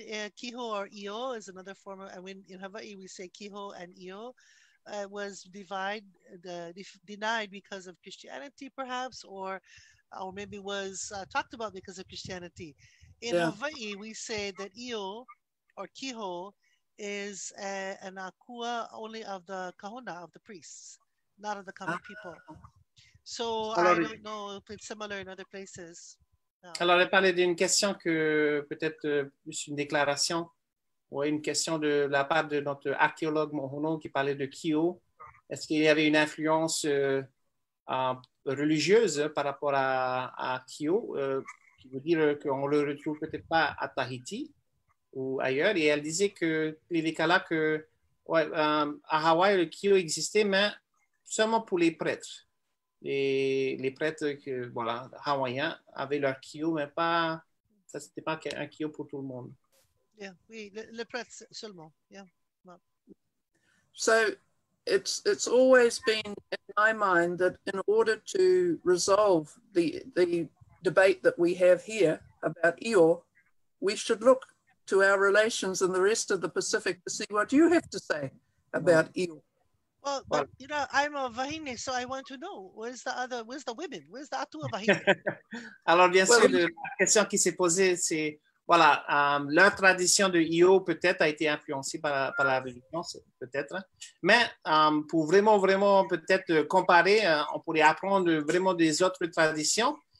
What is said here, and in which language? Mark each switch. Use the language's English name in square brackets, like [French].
[English] Kiho or Iho is another form of, and in Hawaii we say Kiho and Iho, was denied because of Christianity, perhaps, or maybe was talked about because of Christianity. In Hawaii, we say that Iho or Kiho is an akua only of the kahuna, of the priests, not of the common people. So alors, I don't know if it's similar in other places. No. [French] Alors, elle parlait d'une question que peut-être plus une déclaration ou une question de la part de notre archéologue Mohono qui parlait de Kyo. Est-ce qu'il y avait une influence religieuse par rapport à Kyo, qui veut dire qu'on le retrouve peut-être pas à Tahiti ou ailleurs, et elle disait que Lilikalā, que ouais, à Hawaï, le kio existait, mais seulement pour les prêtres. Les prêtres que, voilà, hawaïens avaient leur kio, mais pas, ça c'était pas un kio pour tout le monde. Yeah, oui, les prêtres seulement. Yeah. [English] So, it's always been in my mind that in order to resolve the debate that we have here about Iho, we should look to our relations in the rest of the Pacific to see what you have to say about Iho. Well, but, you know, I'm a Wahine, so I want to know, where's the women? Where's the Atua Wahine? [French] Alors, bien sûr, la question qui s'est posée, c'est, voilà, leur tradition de Iho peut-être a été influencée par la religion, peut-être. Mais pour vraiment, vraiment, peut-être comparer, on pourrait apprendre vraiment des autres traditions.